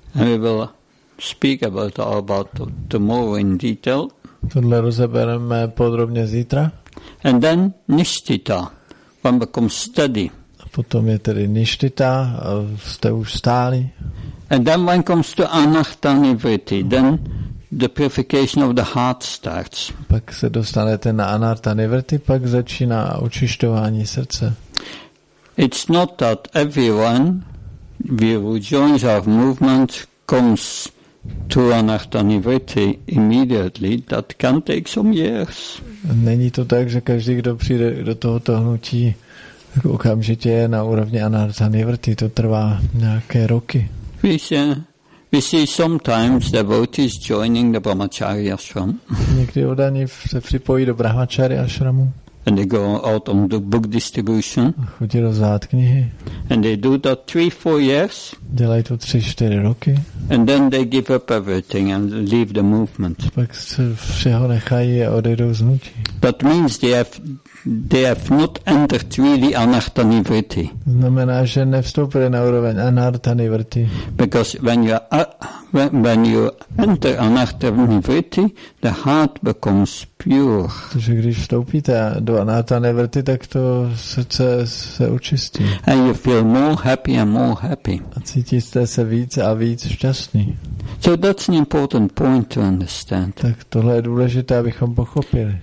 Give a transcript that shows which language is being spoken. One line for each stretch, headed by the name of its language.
English: And we will speak about tomorrow in detail.
Czech: Tohle rozebereme podrobně zítra.
English: And then nishtita. One becomes steady.
Czech: A potom je tedy nishtita, a jste už stáli.
English: And then one comes to anatta nivritti. Then the purification of the heart starts.
Czech: Pak se dostanete na anatta nivritti, pak začíná očišťování srdce.
English: It's not that everyone who joins our movement comes tu anartha nivritti immediately, that can take some years.
Czech: Není to tak, že každý, kdo přijde do tohoto hnutí, tak okamžitě je na úrovni anartha nivritti, to trvá nějaké roky.
English: We see sometimes devotees joining the Brahmacharya ashram.
Czech: Někdy oddaní se připojí do Brahmacharya ashramu.
English: And they go out on the book distribution.
Czech: A chodí rozdávat knihy.
English: And they do that 3-4 years.
Czech: Dělají to 3-4 roky.
English: And then they give up everything and leave the movement.
Czech: Pak se všeho nechají a odejdou z hnutí.
English: That means they have not entered really anartha nivritti.
Czech: Znamená, že nevstoupili na úroveň anartha nivritti.
English: Because when you enter anartha nivritti, the heart becomes pure.
Czech: Takže když vstoupíte do anartha nivritti, tak to srdce se očistí.
English: And you feel more happy and more happy.
Czech: A cítíte se víc a víc šťastný.
English: So that's an important point to understand.
Czech: Tak tohle je důležité, abychom pochopili.